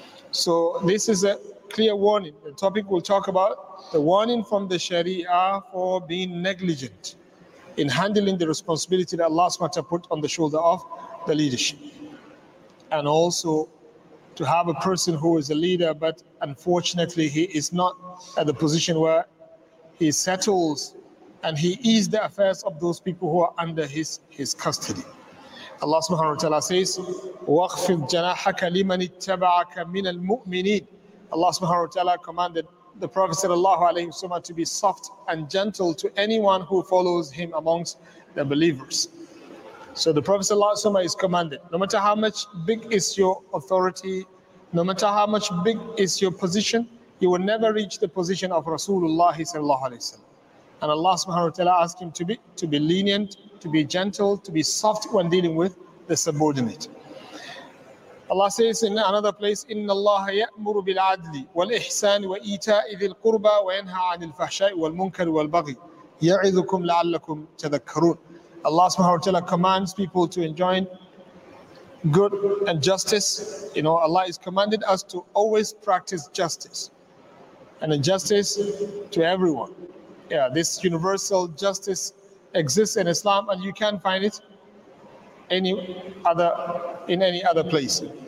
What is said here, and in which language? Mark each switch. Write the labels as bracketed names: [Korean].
[English] So this is a clear warning. The topic we'll talk about, the warning from the Sharia for being negligent in handling the responsibility that Allah subhanahu wa ta'ala put on the shoulder of the leadership. And also to have a person who is a leader, but unfortunately he is not at the position where he settles and he eases the affairs of those people who are under his custody. [Arabic] Allah subhanahu wa ta'ala says, وَخْفِضْ جَنَاحَكَ لِمَنِ اتَّبَعَكَ مِنَ الْمُؤْمِنِينَ. [English] Allah subhanahu wa ta'ala commanded the Prophet sallallahu alayhi wa sallam to be soft and gentle to anyone who follows him amongst the believers. So the Prophet sallallahu alayhi wa sallam is commanded, no matter how much big is your authority, no matter how much big is your position, you will never reach the position of Rasulullah sallallahu alayhi wa sallam. And Allah subhanahu wa ta'ala asked him to be lenient, to be gentle, to be soft when dealing with the subordinate. Allah says in another place, [Arabic] إِنَّ اللَّهَ يَأْمُرُ بِالْعَدْلِ وَالْإِحْسَانِ وَإِيتَاءِ ذِي الْقُرْبَى وَيَنْهَى عَنِ الْفَحْشَاءِ وَالْمُنْكَرِ وَالْبَغْيِ يَعِذُكُمْ لَعَلَّكُمْ تَذَكَّرُونَ. [English] Allah subhanahu wa ta'ala commands people to enjoy good and justice. You know, Allah is commanded us to always practice justice and injustice to everyone. Yeah, this universal justice exists in Islam, and you can find it in any other place.